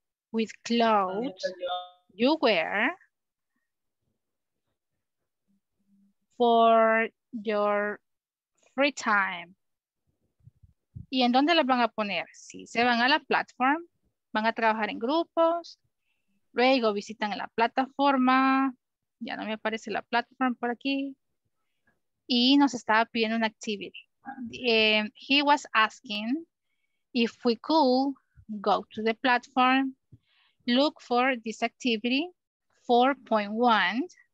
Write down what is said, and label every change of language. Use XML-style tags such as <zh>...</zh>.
<en>With clothes you wear for your free time.</en> <es>¿Y en dónde las van a poner? Si se van a la platform, van a trabajar en grupos, Luego visitan la plataforma. Ya no me aparece la plataforma por aquí. Y nos estaba pidiendo una activity.</es> <en>He was asking if we could go to the platform, look for this activity 4.1.</en>